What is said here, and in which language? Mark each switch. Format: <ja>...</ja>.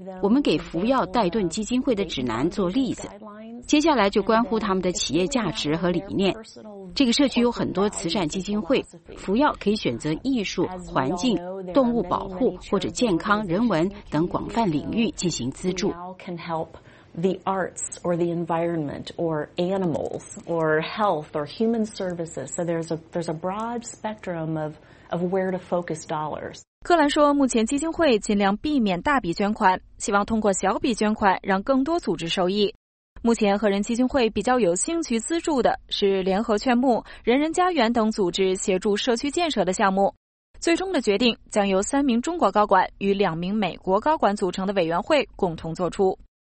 <zh>我们给福耀戴顿基金会的指南做例子，接下来就关乎他们的企业价值和理念。这个社区有很多慈善基金会，福耀可以选择艺术、环境、动物保护或者健康、人文等广泛领域进行资助。</zh> <en>The arts or the environment or animals or health or human services. So there's a broad spectrum of where to focus dollars.</en> <zh>柯兰说，目前基金会尽量避免大笔捐款，希望通过小笔捐款让更多组织受益。目前和人基金会比较有兴趣资助的是联合劝募、人人家园等组织协助社区建设的项目。最终的决定将由三名中国高管与两名美国高管组成的委员会共同做出。</zh>